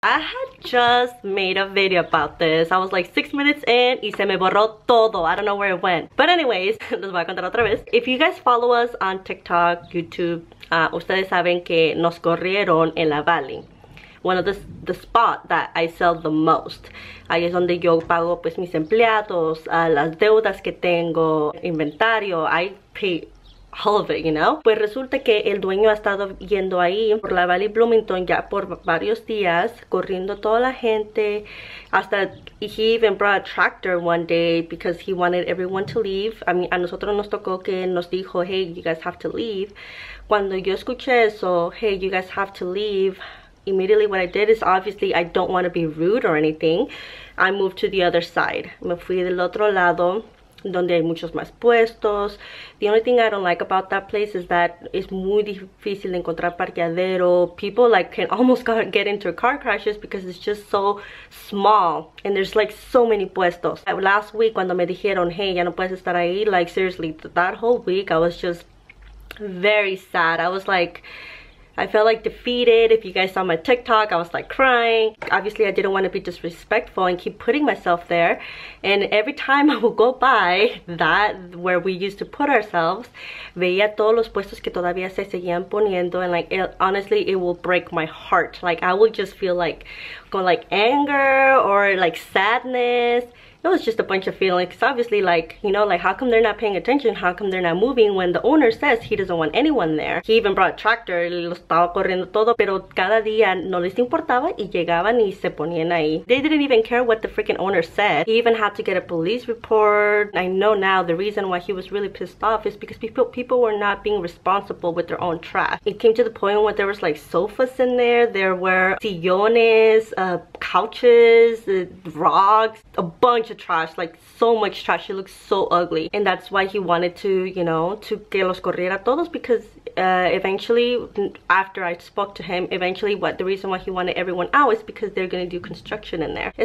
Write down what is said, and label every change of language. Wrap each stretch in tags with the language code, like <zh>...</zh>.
<en>I had just made a video about this. I was like 6 minutes in</en> <es>y se me borró todo.</es> <en>I don't know where it went. But anyways,</en> <es>les voy a contar otra vez.</es> <en>If you guys follow us on TikTok, YouTube,</en> <es>ustedes saben que nos corrieron en la Valley.</es> <en>One of the spot that I sell the most.</en> <es>Ahí es donde yo pago pues mis empleados, las deudas que tengo, inventario.</es> <en>I pay all of it, you know?</en> <es>Pues resulta que el dueño ha estado yendo ahí por la Valley Bloomington ya por varios días, corriendo toda la gente.</es> <en>Hasta he even brought a tractor one day because he wanted everyone to leave. I mean,</en> <es>a nosotros nos tocó que nos dijo,</es> <en>hey, you guys have to leave.</en> <es>Cuando yo escuché eso,</es> <en>hey, you guys have to leave, immediately what I did is, obviously, I don't want to be rude or anything. I moved to the other side.</en> <es>Me fui del otro lado, donde hay muchos más puestos.</es> <en>The only thing I don't like about that place is that it's</en> <es>muy difícil de encontrar parqueadero.</es> <en>People like can almost get into car crashes because it's just so small and there's like so many puestos. Last week</en> <es>cuando me dijeron,</es> <en>hey,</en> <es>ya no puedes estar ahí,</es> <en>like seriously, that whole week I was just very sad. I was like, I felt like defeated. If you guys saw my TikTok, I was like crying. Obviously, I didn't want to be disrespectful and keep putting myself there. And every time I would go by that, where we used to put ourselves,</en> <es>veía todos los puestos que todavía se seguían poniendo.</es> <en>And like, honestly, it will break my heart. Like, I would just feel like, go like anger or like sadness. It was just a bunch of feelings. Obviously, like, you know, like, how come they're not paying attention? How come they're not moving when the owner says he doesn't want anyone there? He even brought a tractor,</en> <es>lo estaba corriendo todo, pero cada día no les importaba y llegaban y se ponían ahí.</es> <en>They didn't even care what the freaking owner said. He even had to get a police report. I know now the reason why he was really pissed off is because people were not being responsible with their own trash. It came to the point where there was like sofas in there, there were sillones, couches, rocks, a bunch of trash, like so much trash. It looks so ugly, and that's why he wanted to, you know, to</en> <es>que los corriera todos,</es> <en>because eventually, after I spoke to him, eventually what the reason why he wanted everyone out is because they're gonna do construction in there.</en>